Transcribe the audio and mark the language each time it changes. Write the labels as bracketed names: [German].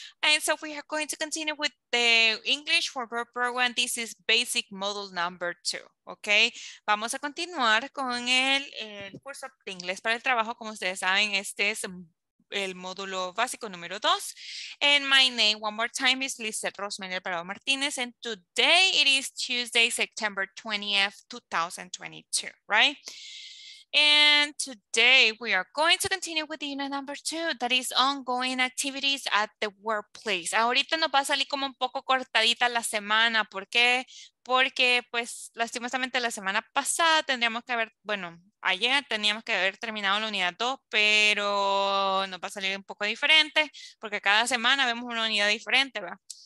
[English] And so we are going to continue with the English for verb program. This is basic module number 2. [Spanish] Ok, vamos a continuar con el curso de inglés para el trabajo. Como ustedes saben, este es el módulo básico número 2. [English] And my name one more time is Lizeth Rosemary Alvarado Martinez. And today it is Tuesday, September 20th, 2022, right? And today we are going to continue with unit number 2, that is ongoing activities at the workplace. [Spanish] Ahorita nos va a salir como un poco cortadita la semana, ¿por qué? Porque pues lastimosamente la semana pasada tendríamos que haber, bueno, ayer teníamos que haber terminado la unidad 2, pero nos va a salir un poco diferente, porque cada semana vemos una unidad diferente, ¿verdad?